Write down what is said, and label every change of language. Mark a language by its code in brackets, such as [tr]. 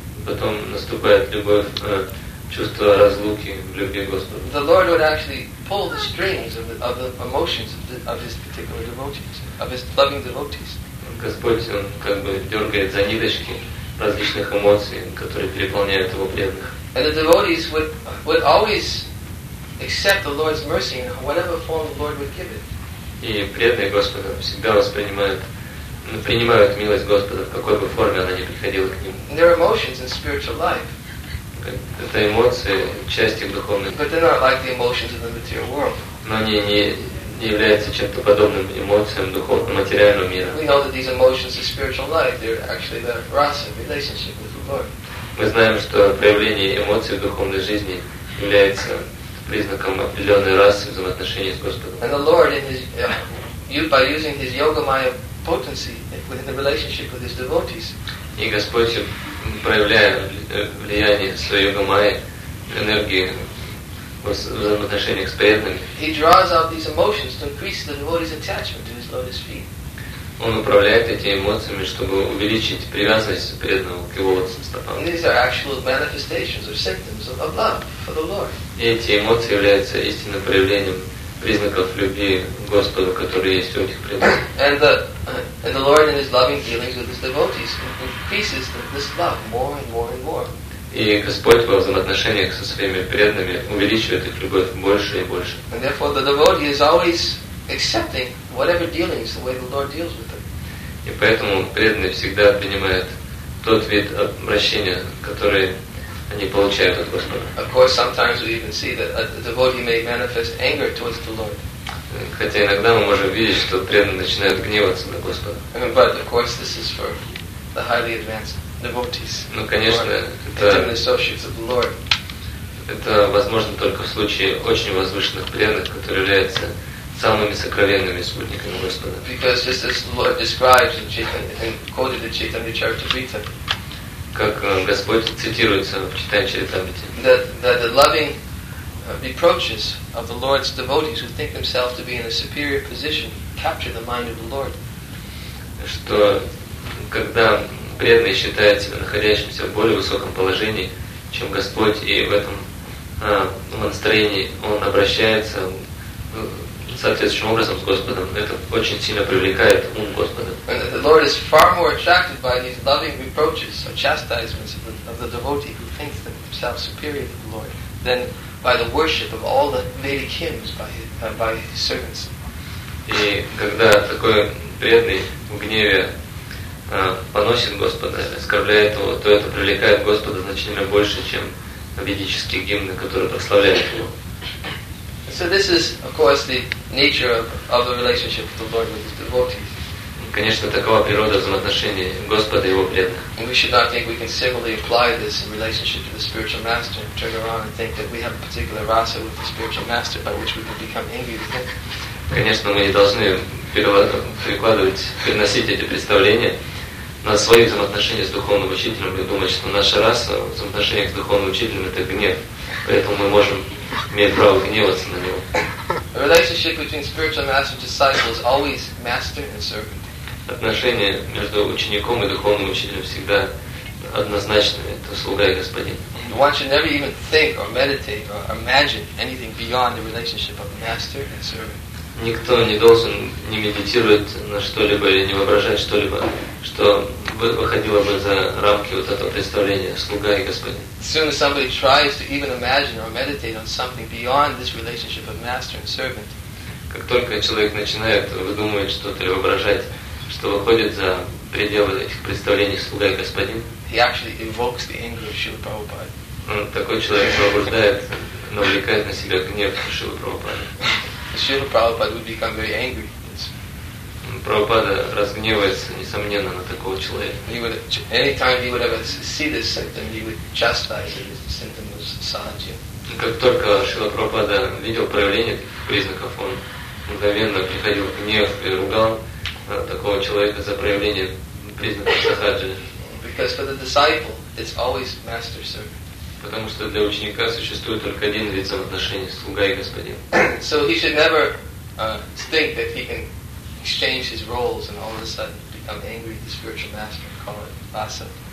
[ru] Потом наступает любовь, чувство разлуки в любви к Господу. [en] The Lord would actually pull the strings of the emotions of his particular devotees, of his loving devotees. [ru] Господь, он как бы дергает за ниточки различных эмоций, которые переполняют его преданных. [en] And the devotees would always accept the Lord's mercy in whatever form the Lord would give it. [ru] И преданные Господа всегда воспринимают. Принимают милость Господа, в какой бы форме она ни приходила к ним. [en] Their emotions in spiritual life. [ru] Это эмоции, часть их духовной. [en] But they're not like the emotions in the material world. [ru] Но они не являются чем-то подобным эмоциям духовного материального мира. [en] We know that these emotions in spiritual life, they're actually the rasa relationship with the Lord. [ru] Мы знаем, что проявление эмоций в духовной жизни является признаком определенной расы взаимоотношений с Господом. [en] And the Lord, in his, by using his yoga maya potency within the relationship with his devotees. [ru] И Господь, проявляя влияние своей йога-майи, энергии в взаимоотношениях с преданными, [en] he draws out these emotions to increase the devotee's attachment to his lotus feet. [ru] Он управляет этими эмоциями, чтобы увеличить привязанность преданного к его лотосным стопам. [en] These are actual manifestations or symptoms of love for the Lord. [ru] И эти эмоции являются истинным проявлением признаков любви Господу, которые есть у этих преданных. [en] And the Lord in his loving dealings with his devotees increases this love more and more and more. [ru] И Господь во взаимоотношениях со своими преданными увеличивает их любовь больше и больше. [en] And therefore the devotee is always accepting whatever dealings the way the Lord deals with them. [ru] И поэтому преданный всегда принимает тот вид обращения, который они получают от Господа. [en] Of course, sometimes we even see that a devotee may manifest anger towards the Lord. [ru] Хотя иногда мы можем видеть, что преданные начинают гневаться на Господа. [en] But of course, this is for the highly advanced devotees. [ru] Ну, конечно, это [en] intimate associates of the Lord. [ru] Это возможно только в случае очень возвышенных преданных, которые являются самыми сокровенными спутниками Господа. [en] Because just as the Lord describes in Chaitanya, quoted in Chaitanya Charitamrita, [ru] как Господь цитируется в Читании Чаритамрите, [en] that the loving reproaches of the Lord's devotees who think themselves to be in a superior position capture the mind of the Lord. [ru] Что когда преданный считает себя находящимся в более высоком положении, чем Господь, и в этом настроении он обращается соответствующим образом с Господом, это очень сильно привлекает ум Господа. [en] And the Lord is far more attracted by these loving reproaches or chastisements of the devotee who thinks themselves superior to the Lord than by the worship of all the Vedic hymns by his servants. [ru] И когда такой преданный в гневе поносит Господа, оскорбляет его, то это привлекает Господа значительно больше, чем ведические гимны, которые прославляют его. [en] So this is, of course, the nature of the relationship of the Lord with his devotees. [ru] Конечно, такова природа взаимоотношений Господа и его преданных. [en] And we should not think we can similarly apply this in relationship to the spiritual master and turn around and think that we have a particular rasa with the spiritual master by which we can become angry with him. [ru] Конечно, мы не должны переносить эти представления на свои взаимоотношения с духовным учителем и думать, что наша раса в взаимоотношениях с духовным учителем — это гнев. Поэтому мы можем иметь право гневаться на него. [en] The relationship between spiritual master and disciple is always master and servant. [ru] Отношения между учеником и духовным учителем всегда однозначные — это слуга и господин. [en] One should never even think or meditate or imagine anything beyond the relationship of master and servant. [ru] Никто не должен не медитировать на что-либо или не воображать что-либо, что выходило бы за рамки вот этого представления слуга и господин. [en] Soon as somebody tries to even imagine or meditate on something beyond this relationship of master and servant, [ru] как только человек начинает выдумывать что-то или воображать, что выходит за пределы этих представлений слуга и господин, [en] he actually invokes the anger of Śrīla Prabhupāda. [ru] Такой человек пробуждает, навлекает на себя гнев Śrīla Prabhupāda. [en] Śrīla Prabhupāda would become very angry. [ru] Прабхупада разгневается, несомненно, на такого человека. [en] Any time he would ever see this symptom, he would chastise it. The symptom was sahajya. [ru] Как только Шрила Прабхупада видел проявление таких признаков, он мгновенно приходил в гнев и ругал такого человека за проявление признаков сахаджи. [en] Because for the disciple, it's always master servant. [ru] Потому что для ученика существует только один вид взаимоотношений — слуга и господин. [en] So he should never think that he can exchange his roles and all of a sudden become angry at the spiritual master and call it vasa.